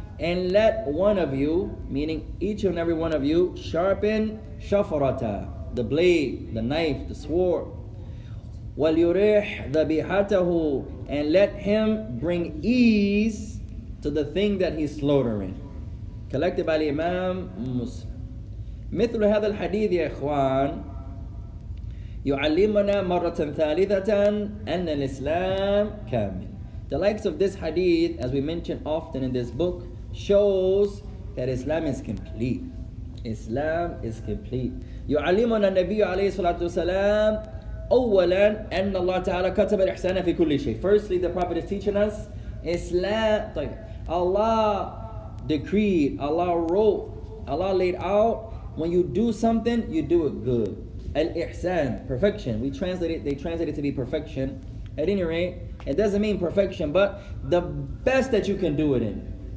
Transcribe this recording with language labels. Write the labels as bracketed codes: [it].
[en] and let one of you, meaning each and every one of you, sharpen shafarata, the blade, the knife, the sword. [ar] وَلْيُرِحْ ذَبِحَتَهُ, [en] and let him bring ease to the thing that he's slaughtering. Collected by Imam Muslim. [ar] مثل هذا الحديث يا إخوان يعلمنا مرة ثالثة أن الإسلام كامل. [en] The likes of this hadith, as we mention often in this book, shows that Islam is complete. Islam is complete. [ar] يعلمنا النبي عليه الصلاة والسلام أولا أن الله تعالى كتب الإحسان في كل شيء. [en] Firstly, the Prophet is teaching us Islam. Allah decreed, Allah wrote, Allah laid out, when you do something, you do it good. Al-Ihsan, perfection. We translate it, they translate it to be perfection. At any rate, it doesn't mean perfection, but the best that you can do it in.